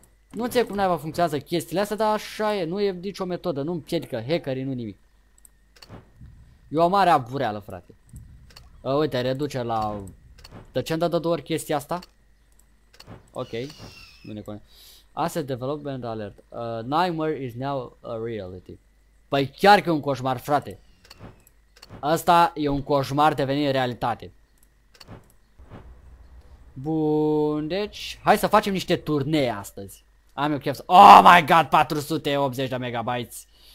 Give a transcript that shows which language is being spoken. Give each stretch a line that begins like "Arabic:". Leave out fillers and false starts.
Romanian: Nu înțeleg cum neva funcționează chestiile astea, dar așa e, nu e nicio metodă, nu-mi piedică hackerii, nu nimic. E o mare abureală, frate. Uite, reduce la... De ce îmi dă de două ori chestia asta?
English: Ok,
Romanian: nu ne conține.
English: Asset development alert. Nightmare is now a reality.
Romanian: Păi chiar că e un coșmar, frate. Asta e un coșmar devenit realitate. Bun, deci hai să facem niște turnee astăzi. Am eu chef să...
English: Oh my god,
Romanian: 480 de megabytes.